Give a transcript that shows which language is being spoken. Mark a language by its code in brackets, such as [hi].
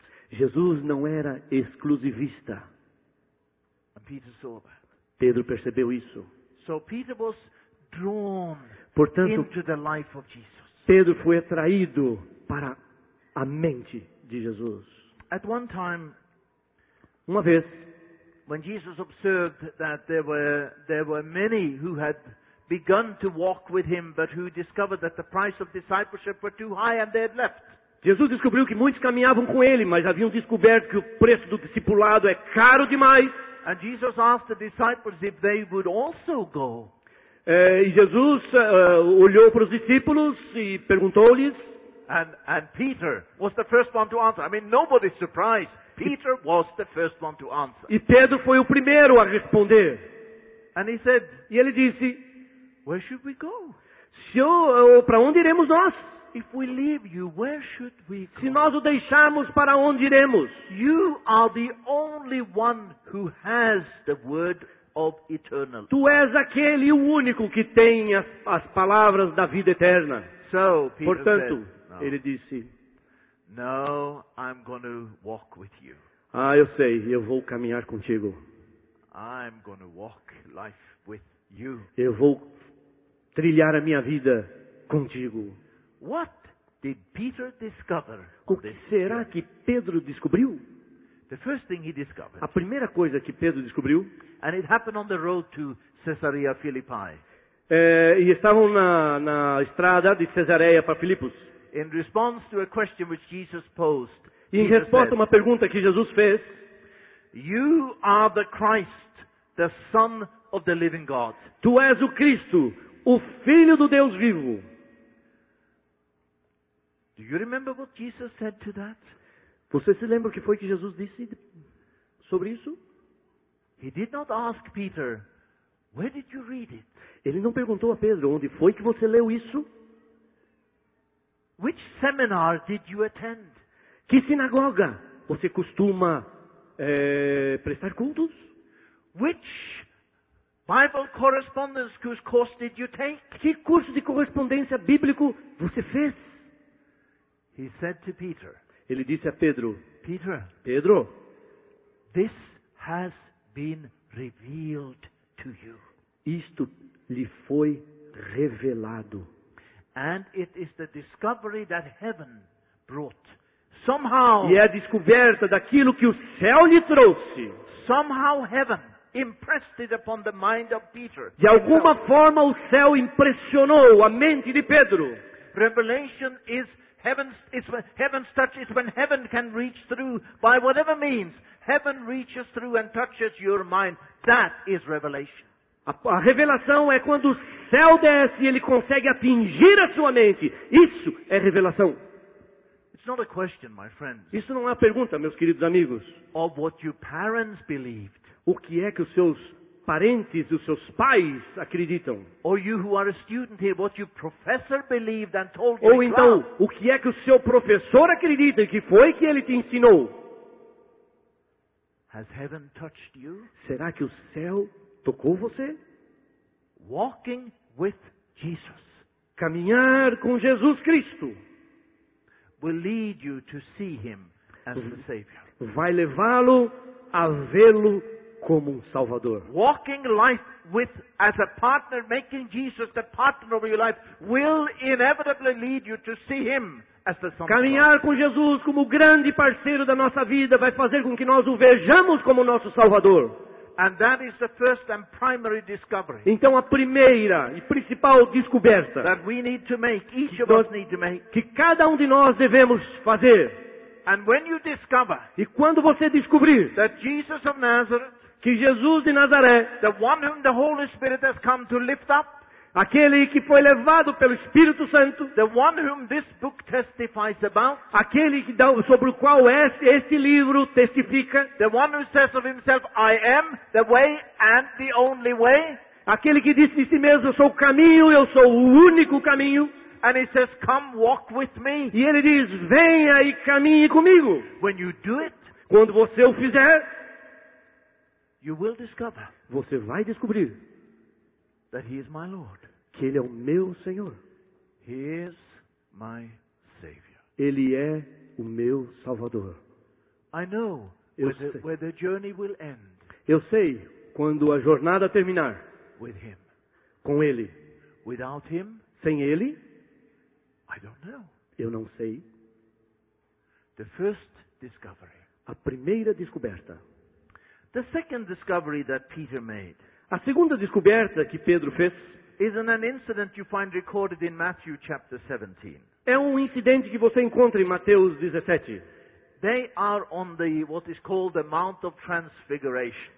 [pt] Jesus não era exclusivista. [en] And Peter saw that. [pt] Pedro percebeu isso. [en] So Peter was drawn, [pt] portanto, [en] into the life of Jesus. [pt] Pedro foi atraído para a mente de Jesus. [en] At one time, [pt] uma vez, [en] when Jesus observed that there were many who had begun to walk with him, but who discovered that the price of discipleship were too high and they had left. [pt] Jesus descobriu que muitos caminhavam com ele, mas haviam descoberto que o preço do discipulado é caro demais. [en] And Jesus asked the disciples if they would also go. [pt] Jesus olhou para os discípulos e perguntou-lhes. [en] And Peter was the first one to answer. I mean, nobody's surprised. Peter was the first one to answer. [pt] E Pedro foi o primeiro a responder. [en] And he said, [pt] e ele disse, [en] where should we go? [pt] Para onde iremos nós? [en] If we leave you, where should we go? [pt] Se nós o deixarmos, para onde iremos? [en] You are the only one who has the word of eternal. [pt] Tu és aquele único que tem as palavras da vida eterna. [en] So, Peter [pt] portanto, [en] said, [pt] ele disse, [en] no, I'm going to walk with you. [pt] Ah, eu sei, eu vou caminhar contigo. [en] I'm going to walk life with you. [pt] Eu vou trilhar a minha vida contigo. [en] What did Peter discover? [pt] O que será que Pedro descobriu? [en] The first thing he discovered. [pt] A primeira coisa que Pedro descobriu. [en] And it happened on the road to Caesarea Philippi. [pt] E estavam na estrada de Cesareia para Filipos. [en] In response to a question which Jesus posed. [pt] E em resposta a uma pergunta que Jesus fez. [en] You are the Christ, the Son of the Living God. [pt] Tu és o Cristo, o Filho do Deus vivo. [en] Do you remember what Jesus said to that? [pt] Você se lembra o que foi que Jesus disse sobre isso? [en] He did not ask Peter, where did you read it? [pt] Ele não perguntou a Pedro, onde foi que você leu isso? [en] Which seminar did you attend? [pt] Que sinagoga você costuma prestar cultos? [en] Which Bible correspondence course did you take? [pt] Que curso de correspondência bíblico você fez? [en] He said to Peter. [pt] Ele disse a Pedro. [en] Peter. [pt] Pedro. [en] This has been revealed to you. [pt] Isto lhe foi revelado. [en] And it is the discovery that heaven brought. Somehow. [pt] E é a descoberta daquilo que o céu lhe trouxe. [en] Somehow heaven impressed it upon the mind of Peter. [pt] De alguma forma o céu impressionou a mente de Pedro. [en] Revelation is heaven's touch is when heaven can reach through by whatever means. Heaven reaches through and touches your mind. That is revelation. [pt] A revelação é quando o céu desce e ele consegue atingir a sua mente. Isso é revelação. [en] It's not a question, my friends. [pt] Isso não é uma pergunta, meus queridos amigos. [en] Of what your parents believed. [pt] O que é que os seus parentes, os seus pais acreditam. [en] Or you who are a student here, what your professor believed and told you. [pt] Ou então, o que é que o seu professor acredita e que foi que ele te ensinou? [en] Has heaven touched you? [pt] Será que o céu tocou você? [en] Walking with Jesus. [pt] Caminhar com Jesus Cristo. [en] Will lead you to see him as the Savior. [pt] Vai levá-lo a vê-lo como Salvador. [en] Walking life with as a partner, making Jesus the partner of your life, will inevitably lead you to see him as the Son. [pt] Caminhar com Jesus como o grande parceiro da nossa vida vai fazer com que nós o vejamos como nosso Salvador. [en] And that is the first and primary discovery. [pt] Então a primeira e principal descoberta [en] that we need to make, each of us need to make, [pt] que cada um de nós devemos fazer. [en] And when you discover, [pt] e quando você descobrir [en] that Jesus of Nazareth, [pt] que Jesus de Nazaré, [en] the one whom the Holy Spirit has come to lift up, [pt] aquele que foi levado pelo Espírito Santo, [en] the one whom this book testifies about, [pt] aquele sobre o qual este livro testifica, [en] the one who says of himself, I am the way and the only way, [pt] aquele que disse de si mesmo, eu sou o caminho, eu sou o único caminho. [en] And he says, come walk with me. [pt] E ele diz, venha e caminhe comigo. [en] When you do it, [pt] quando você o fizer, [en] you will discover, [pt] você vai descobrir, [en] that he is my Lord. [pt] Que ele é o meu Senhor. [en] He He is my Savior. [pt] Ele é o meu Salvador. [en] I know where the journey will end. [pt] Eu sei quando a jornada terminar. [en] With him. [pt] Com ele. [en] Without him? [pt] Sem ele? [en] I don't know. [pt] Eu não sei. [en] The first discovery. [pt] A primeira descoberta. [en] The second discovery that Peter made. [pt] A segunda descoberta que Pedro fez. [en] Is an incident you find recorded in Matthew chapter 17. [pt] É um incidente que você encontra em Mateus 17. [en] They are on the what is called the Mount of Transfiguration.